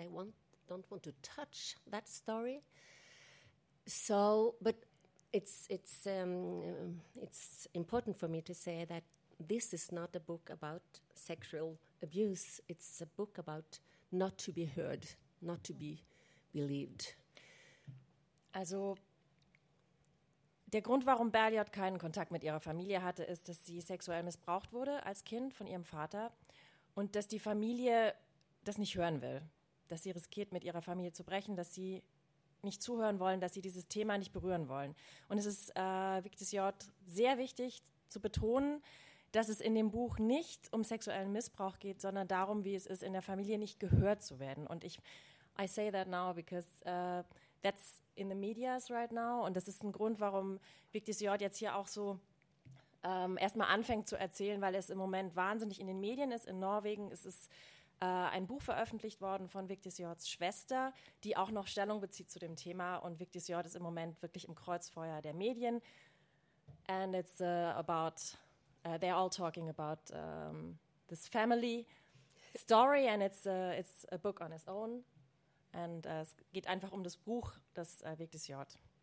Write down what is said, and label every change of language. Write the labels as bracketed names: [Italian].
[English] They don't want to touch that story. So, but it's important for me to say that this is not a book about sexual abuse. It's a book about not to be heard, not to be believed. [German] Also der Grund, warum Bergljot keinen Kontakt mit ihrer Familie hatte, ist, dass sie sexuell missbraucht wurde als Kind von ihrem Vater und dass die Familie das nicht hören will, dass sie riskiert, mit ihrer Familie zu brechen, dass sie nicht zuhören wollen, dass sie dieses Thema nicht berühren wollen. Und es ist Bergljot sehr wichtig zu betonen, dass es in dem Buch nicht um sexuellen Missbrauch geht, sondern darum, wie es ist, in der Familie nicht gehört zu werden. [English] Und I say that now because that's in the medias right now. [German] Und das ist ein Grund, warum Bergljot jetzt hier auch so erstmal anfängt zu erzählen, weil es im Moment wahnsinnig in den Medien ist. In Norwegen ist es ein Buch veröffentlicht worden von Bergljots Schwester, die auch noch Stellung bezieht zu dem Thema. Und Bergljot ist im Moment wirklich im Kreuzfeuer der Medien. [English] And it's about, they're all talking about this family story and it's a book on its own. [German] And es geht einfach um das Buch, das Weg des Jord.